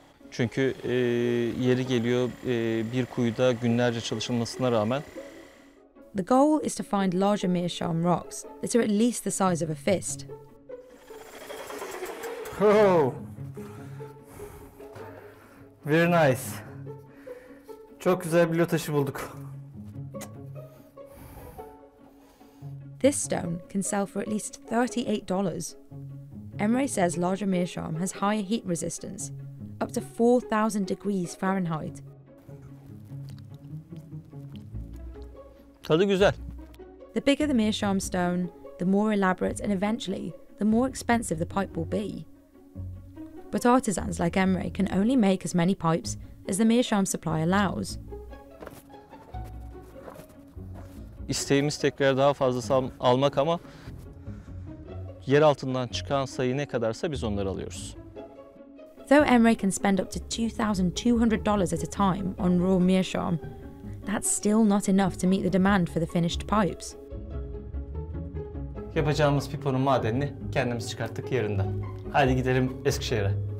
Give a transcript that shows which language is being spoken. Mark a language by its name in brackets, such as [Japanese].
[Turkish] Çünkü yeri geliyor bir kuyuda günlerce çalışılmasına rağmen. [English] The goal is to find larger meerschaum rocks that are at least the size of a fist. Oh, very nice. [Turkish] Çok güzel bir lotaşı bulduk. [English] This stone can sell for at least $38. Emre says larger meerschaum has higher heat resistance, up to 4,000 degrees Fahrenheit. [Turkish] Tadı güzel. [English] The bigger the meerschaum stone, the more elaborate and eventually the more expensive the pipe will be. But artisans like Emre can only make as many pipes as the meerschaum supply allows. [Turkish] İsteğimiz tekrar daha fazlası almak ama yer altından çıkan sayı ne kadarsa biz onları alıyoruz. [English] Though Emre can spend up to $2,200 at a time on raw meerschaum, that's still not enough to meet the demand for the finished pipes. [Turkish] Yapacağımız piponun madenini kendimiz çıkarttık yerinden. Hadi gidelim Eskişehir'e.